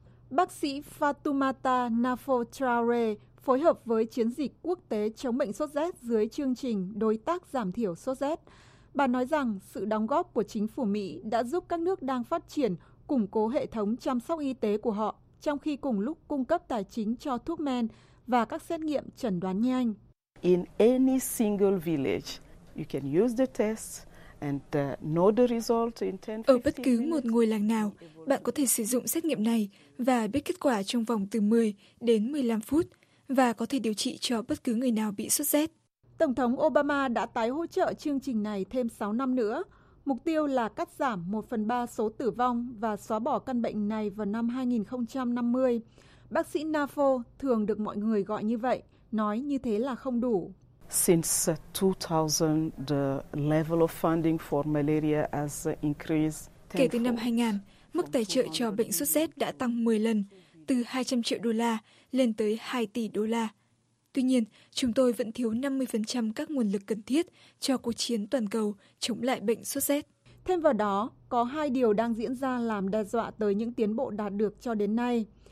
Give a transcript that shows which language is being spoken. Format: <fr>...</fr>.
<vi>Bác sĩ Fatoumata Nafo Traore phối hợp với chiến dịch quốc tế chống bệnh sốt rét dưới chương trình Đối tác giảm thiểu sốt rét. Bà nói rằng sự đóng góp của chính phủ Mỹ đã giúp các nước đang phát triển củng cố hệ thống chăm sóc y tế của họ, trong khi cùng lúc cung cấp tài chính cho thuốc men và các xét nghiệm chẩn đoán nhanh.</vi> <en>In any single village, you can use the test and know the result in 10-15</en> <vi>minutes. Ở bất cứ một ngôi làng nào, bạn có thể sử dụng xét nghiệm này và biết kết quả trong vòng từ 10 đến 15 phút và có thể điều trị cho bất cứ người nào bị sốt rét. Tổng thống Obama đã tái hỗ trợ chương trình này thêm 6 năm nữa. Mục tiêu là cắt giảm 1/3 số tử vong và xóa bỏ căn bệnh này vào năm 2050. Bác sĩ Nafo, thường được mọi người gọi như vậy, nói như thế là không đủ.</vi> <en>Since 2000, the level of funding for malaria has increased.</en> <vi>Kể từ năm 2000, mức tài trợ cho bệnh sốt rét đã tăng 10 lần, từ 200 triệu đô la lên tới 2 tỷ đô la. Tuy nhiên, chúng tôi vẫn thiếu 50% các nguồn lực cần thiết cho cuộc chiến toàn cầu chống lại bệnh sốt rét. Thêm vào đó, có hai điều đang diễn ra làm đe dọa tới những tiến bộ đạt được cho đến nay.</vi>